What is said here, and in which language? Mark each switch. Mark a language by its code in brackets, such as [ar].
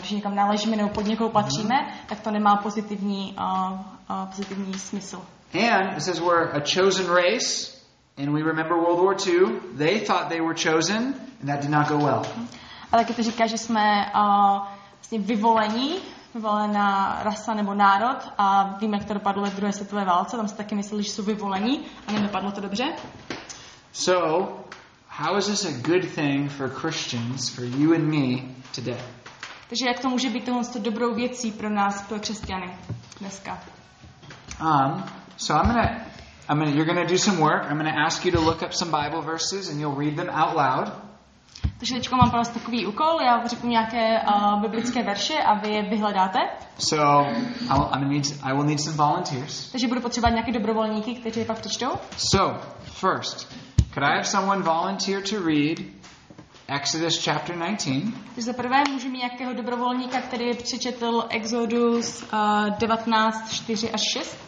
[cs] Když někam náležíme nebo pod někoho patříme, tak to nemá pozitivní smysl. [en] And it says we're a chosen race, and we remember World War II. They thought they were chosen, and that did not go well. [cs] A taky to říká, že jsme vlastně vyvolená rasa nebo národ, a víme, jak to dopadlo ve druhé světové válce, tam se taky mysleli, že jsou vyvolení, a nedopadlo to dobře. [en] So, how is this a good thing for Christians, for you and me today? [cs] Takže jak to může být tohle dobrou věcí pro nás, pro křesťany dneska? [en] So I'm gonna you're gonna do some work. I'm gonna ask you to look up some Bible verses and you'll read them out loud. [cs] Takže teďko mám pro vás takový úkol. Já řeknu nějaké biblické verše a vy je vyhledáte. [en] So I will need some volunteers. [cs] Takže budu potřebovat nějaké dobrovolníky, kteří je pak přečtou. [en] So first. Could I have someone volunteer to read Exodus chapter 19? [cs] Za prvé můžu mít nějakého dobrovolníka, který přečetl Exodus 19:4 až 6.